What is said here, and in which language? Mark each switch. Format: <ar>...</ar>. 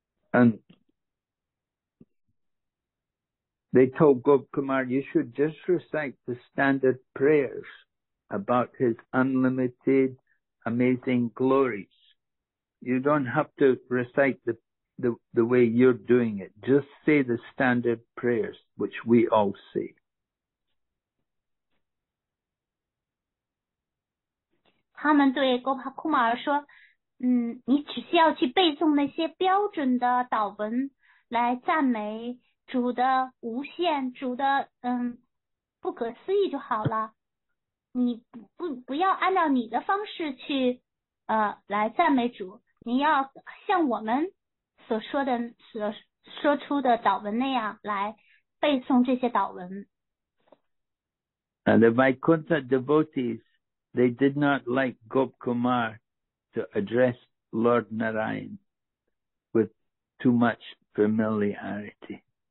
<en>And they told Gopkumar, you should just recite the standard prayers about his unlimited amazing glories. You don't have to recite the way you're doing it. Just say the standard prayers, which we all say.</en> <zh>他们对 Gopkumar 说，你只需要去背诵那些标准的祷文来赞美主的无限，主的不可思议就好了。你不要按照你的方式去来赞美主，你要像我们所说的所说出的祷文那样来背诵这些祷文。</zh> <en>And the Vaikuntha devotees, they did not like Gopkumar to address Lord Narayan with too much familiarity.</en>